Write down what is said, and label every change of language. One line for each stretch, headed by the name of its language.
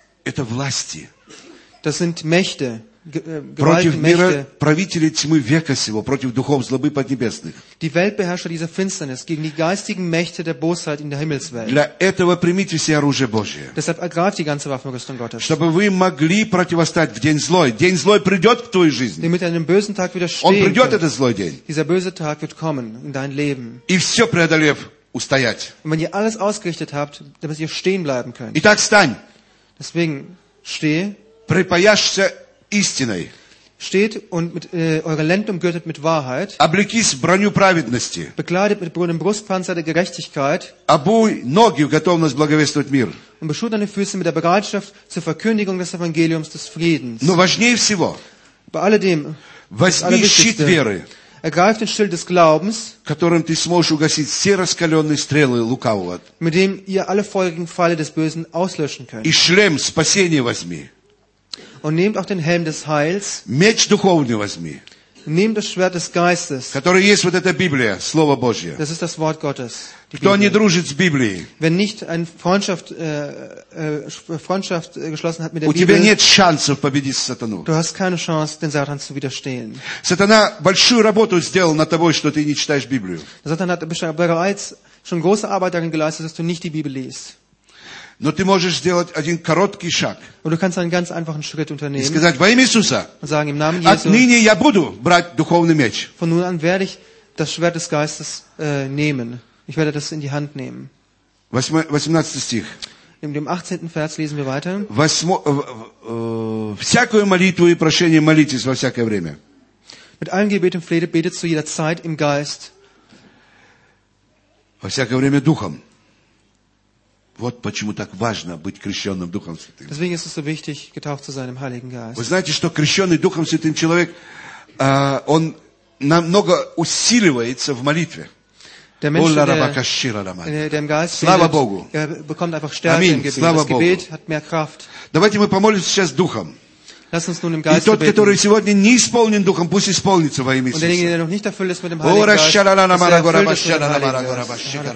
Russian: Это власти.
German: Das sind Mächte.
Russian: Против мира, правителей тьмы века сего, против духов злобы поднебесных.
German: Die Weltbeherrscher dieser Finsternis, gegen die geistigen Mächte der Bosheit in der Himmelswelt.
Russian: Для этого примите все оружие Божие.
German: Deshalb ergreift die ganze Waffenrüstung Gottes.
Russian: Чтобы вы могли противостать в день злой. День злой придет в твою жизнь.
German: Damit er einem bösen Tag widerstehen.
Russian: Он придет, этот злой день.
German: Dieser böse Tag wird kommen in dein Leben.
Russian: И все преодолев. Устоять.
German: Und wenn ihr alles ausgerichtet habt, damit ihr stehen bleiben könnt.
Russian: Итак, стань.
German: Deswegen stehe.
Russian: Припаяшься истиной.
German: Steht und mit eure Lenden umgürtet mit Wahrheit.
Russian: Облекись броню праведности.
German: Bekleidet mit dem Brustpanzer der Gerechtigkeit.
Russian: Обуй ноги в готовность благовествовать мир.
German: Und beschuh deine Füße mit der Bereitschaft zur Verkündigung des Evangeliums des Friedens.
Russian: Но важнее всего.
German: Bei alledem.
Russian: Возьми щит веры.
German: Ergreift den Schild des Glaubens,
Russian: которым ты сможешь угасить все раскаленные стрелы лукавого,
German: mit dem ihr alle feurigen Pfeile des Bösen auslöschen könnt.
Russian: И шлем спасения возьми.
German: Und nehmt auch den Helm des Heils.
Russian: Меч духовный возьми.
German: Nehmt das Schwert des Geistes.
Russian: Которое есть вот эта Библия, Слово Божье.
German: Das ist das Wort Gottes.
Russian: Кто не дружит с Библией?
German: Wenn nicht eine Freundschaft geschlossen hat mit der
Russian: Bibel. У тебя нет шансов победить сатану.
German: Du hast keine Chance, den Satan zu widerstehen.
Russian: Сатана большую работу сделал над тобой, что ты не читаешь Библию.
German: Satan hat bereits schon große Arbeit darin geleistet, dass du nicht die Bibel liest.
Russian: Но ты можешь сделать один короткий шаг.
German: Und du kannst einen ganz einfachen Schritt unternehmen.
Russian: И сказать во имя Иисуса.
German: Und sagen im Namen Jesu.
Russian: Отныне я буду брать духовный меч.
German: Von nun an werde ich das Schwert des Geistes nehmen. Ich werde das in die Hand nehmen.
Russian: 18. Стих.
German: In dem 18. Vers lesen wir weiter.
Russian: Всякую молитву и прошение молитесь во всякое время. Mit allen Gebeten betet zu jeder Zeit im Geist. Во всякое время духом. Вот почему так важно быть крещенным Духом Святым.
German: Deswegen ist es so wichtig, getauft zu sein im Heiligen Geist.
Russian: Вы знаете, что крещенный Духом Святым человек, он намного усиливается в молитве.
German: Der Mensch, der im Geist betet, bekommt einfach Stärke im Gebet. Das Gebet hat mehr Kraft.
Russian: Давайте мы помолимся сейчас Духом.
German: Lass uns nun im Geist
Russian: И тот, который сегодня не исполнен Духом, пусть исполнится во имя Иисуса.
German: Und derjenige, der noch nicht erfüllt ist mit dem Heiligen Geist,